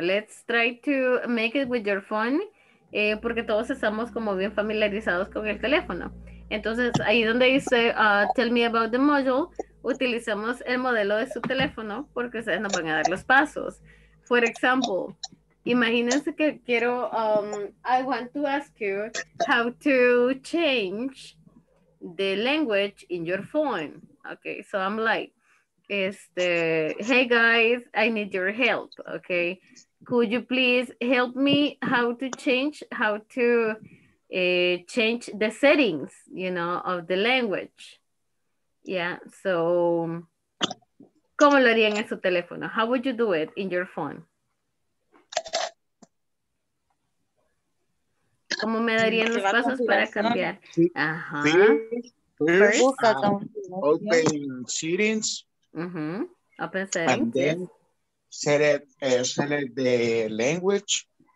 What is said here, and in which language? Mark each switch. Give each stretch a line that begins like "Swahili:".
English: Let's try to make it with your phone.
Spanish: Porque todos estamos como bien familiarizados con el teléfono. Entonces, ahí donde dice
English: tell me about the module,
Spanish: utilizamos el modelo de su teléfono porque ustedes nos van a dar los pasos.
English: For example,
Spanish: imagínense que quiero,
English: I want to ask you how to change the language in your phone. Okay, so I'm like, hey guys, I need your help, okay? Could you please help me how to change the settings, you know, of the language?
Spanish: Yeah, so, ¿cómo lo harían en su teléfono?
English: How would you do it in your phone?
Spanish: ¿Cómo me darían los pasos para cambiar? Ajá.
English: First, open settings. Mm-hmm. Open settings. And then, yes. Select the language.